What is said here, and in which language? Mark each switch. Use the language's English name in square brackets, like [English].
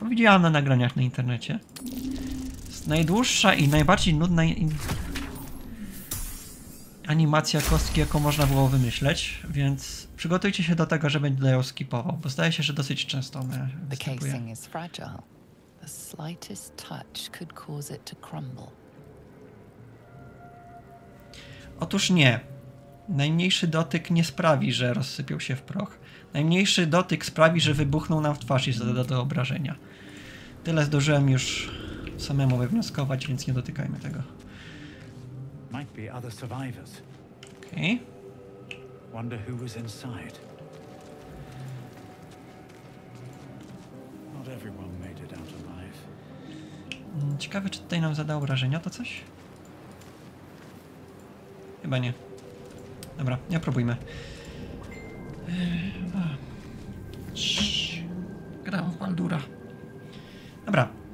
[Polish] To widziałem na nagraniach na internecie. Najdłuższa i najbardziej nudna animacja kostki, jaką można było wymyśleć, więc przygotujcie się do tego, że będę ją skipował, bo zdaje się, że dosyć często ona występuje. [English] Casing is fragile. The slightest touch could cause it to crumble. [Polish] Otóż nie. Najmniejszy dotyk nie sprawi, że rozsypią się w proch. Najmniejszy dotyk sprawi, że wybuchną nam w twarz i zada do obrażenia. Tyle zdążyłem już samemu wywnioskować, więc nie dotykajmy tego. [English] Might be other survivors. Okay. Wonder who was inside. Not everyone made it out alive. [Polish] Ciekawe, czy tutaj nam zada obrażenia to coś? Chyba nie. Dobra, nie próbujmy. Gram w Baldura. Dobra.